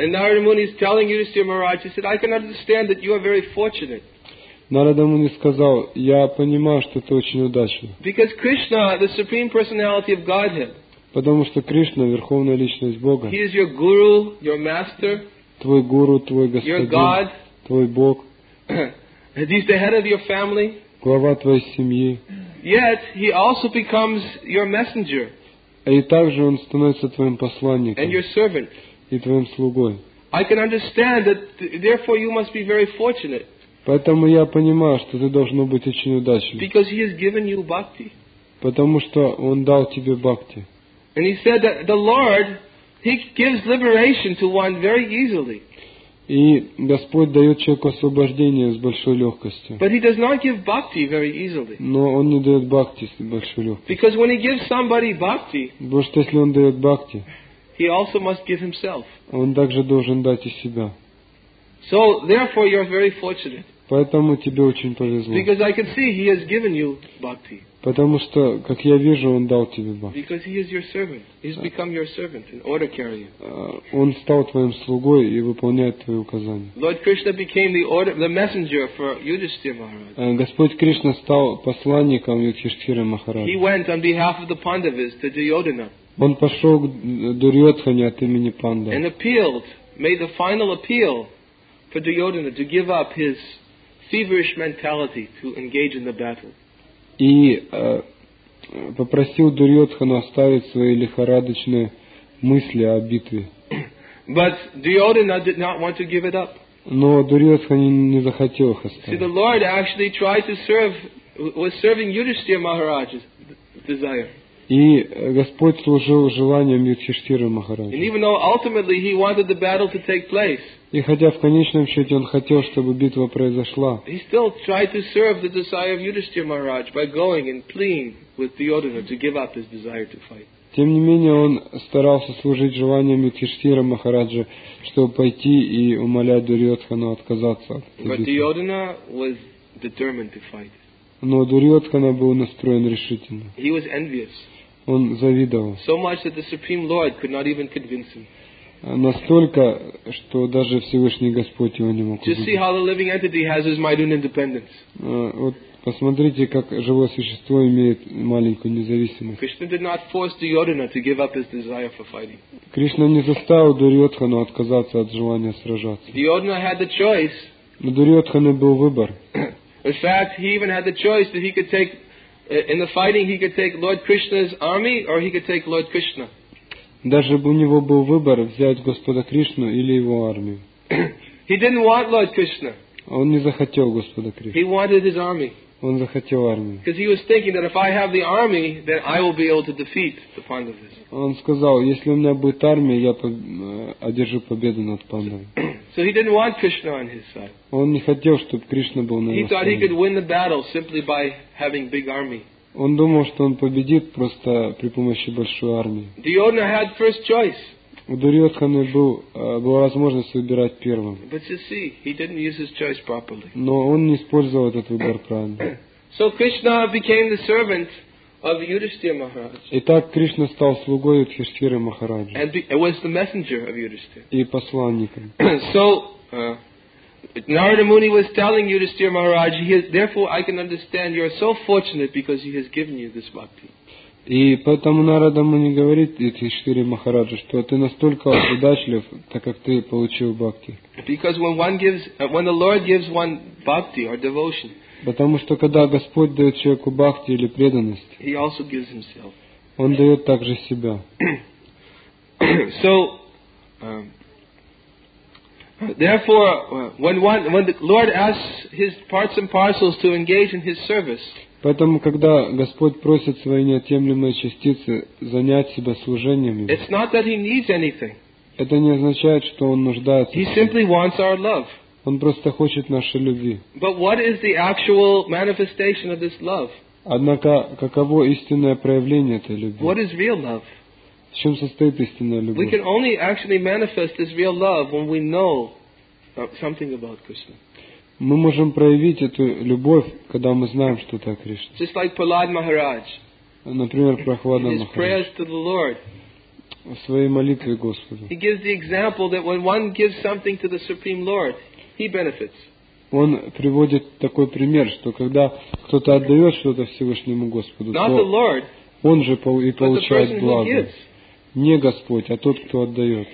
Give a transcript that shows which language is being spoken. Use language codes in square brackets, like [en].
[en] And Narada Muni is telling Yudhishthira Maharaj, he said, I can understand that you are very fortunate. [ru] Нарада Муни сказал, я понимаю, что ты очень удачлив. [en] Because Krishna, the supreme personality of Godhead. [ru] Потому что Кришна, Верховная Личность Бога, [en] He is your guru, your master, [ru] твой гуру, твой господин, [en] your God, [ru] твой Бог, [en] He is the head of your family, [ru] глава твоей семьи, [en] yet He also becomes your messenger, [ru] и также Он становится твоим посланником [en] and your servant. [ru] И твоим слугой. [en] I can understand that therefore you must be very fortunate, [ru] поэтому я понимаю, что ты должно быть очень удачным, [en] because He has given you bhakti. [ru] Потому что Он дал тебе бхакти. [en] And he said that the Lord, He gives liberation to one very easily. [ru] И Господь дает человеку освобождение с большой легкостью. [en] But He does not give bhakti very easily. [ru] Но Он не дает бхакти с большой легкостью. [en] Because when He gives somebody bhakti, [ru] потому что если Он дает бхакти, [en] He also must give Himself. [ru] Он также должен дать и себя. [en] So therefore, you are very fortunate. [ru] Поэтому тебе очень повезло. [en] Because I can see He has given you bhakti. [ru] Потому что, как я вижу, он дал тебе Бог. [en] Because he is your servant. He's become your servant in order carrying. [ru] Он стал твоим слугой и выполняет твои указания. [en] Lord Krishna became the order, the messenger for Yudhishthira Maharaj. [ru] Господь Кришна стал посланником Юдхиштхиры Махараджа. [en] He went on behalf of the Pandavas to Duryodhana. [ru] Он пошел к Дурьотхане от имени Панда. [en] And appealed, made the final appeal for Duryodhana to give up his feverish mentality to engage in the battle. [ru] И попросил Дурьотхану оставить свои лихорадочные мысли о битве. [en] But Duryodhana did not want to give it up. [ru] Но Дурьотхана не захотел их оставить. [en] See, the Lord actually tried to serve, was serving Yudhishthira Maharaj's desire. [ru] И Господь служил желанием Юдхиштхиры Махараджа. [en] And even though ultimately he wanted the battle to take place. [ru] И хотя в конечном счете он хотел, чтобы битва произошла. [en] He still tried to serve the desire of Yudhishthira Maharaj by going and pleading with Duryodhana to give up his desire to fight. [ru] Тем не менее он старался служить желаниям Юдхиштхиры Махараджа, чтобы пойти и умолять Дурьотхану отказаться от битвы. [en] But Duryodhana was determined to fight. [ru] Но Дурьотхана был настроен решительно. [en] He was envious. [ru] Он завидовал. [en] So much that the Supreme Lord could not even convince him. [ru] Настолько, что даже Всевышний Господь его не мог убедить. [en] Just see how the living entity has his minute independence. [ru] Вот посмотрите, как живое существо имеет маленькую независимость. [en] Krishna did not force Duryodhana to give up his desire for fighting. [ru] Кришна не заставил Дурьотхану отказаться от желания сражаться. [en] Duryodhana had the choice. [ru] У Дурьотханы был выбор. [en] In fact, he even had the choice that he could take in the fighting. He could take Lord Krishna's army, or he could take Lord Krishna. [ru] Даже у него был выбор взять Господа Кришну или его армию. [en] He didn't want Lord Krishna. [ru] Он не захотел Господа Кришну. [en] He wanted his army. [ru] Он захотел армию. [en] Because he was thinking that if I have the army, then I will be able to defeat the Pandavas. [ru] Он сказал, если у меня будет армия, я одержу победу над Пандавами. [en] So he didn't want Krishna on his side. [ru] Он не хотел, чтобы Кришна был на его стороне. [en] He thought he could win the battle simply by having big army. [ru] Он думал, что он победит просто при помощи большой армии. [en] Duryodhana had first choice. [ru] У Дурьотханы была возможность выбирать первым. [en] But you see, he didn't use his choice properly. [ru] Но он не использовал этот выбор правильно. [en] So Krishna became the servant of Yudhishthira Maharaj. [ru] Итак, Кришна стал слугой Юдхиштхиры Махараджа. [en] And it was the messenger of Yudhishthira. [ru] И посланником. [en] So Narada Muni was telling Yudhishthira Maharaj, therefore I can understand you are so fortunate because he has given you this bhakti. [ru] И поэтому Нарада Муни говорит Юдхиштхире Махараджу, что ты настолько удачлив, так как ты получил бхакти. [en] Because when one gives, when the Lord gives one bhakti or devotion. [ru] Потому что когда Господь дает человеку бхакти или преданность, [en] he also gives himself. [ru] Он дает также себя. [en] So, therefore, when the Lord asks his parts and parcels to engage in his service. [ru] Поэтому, когда Господь просит свои неотъемлемые частицы занять себя служением, [en] it's not that he needs anything. [ru] Это не означает, что он нуждается. [en] He simply wants our love. [ru] Он просто хочет нашей любви. [en] But what is the actual manifestation of this love? [ru] Однако, каково истинное проявление этой любви? [en] What is real love? [ru] В чем состоит истинная любовь? [en] We can only actually manifest this real love when we know something about Krishna. [ru] Мы можем проявить эту любовь, когда мы знаем что-то о Кришне. [en] Just like Prahlad Maharaj. [ru] Например, Прохлада Махарадж. [en] His prayers to the Lord. [ru] В своей молитве Господу. [en] He gives the example that when one gives something to the Supreme Lord, he benefits. [ru] Он приводит такой пример, что когда кто-то отдает что-то Всевышнему Господу, [en] not the Lord, [ru] он же и получает благо. [en] But the person who gives. [ru] Не Господь, а тот, кто отдает.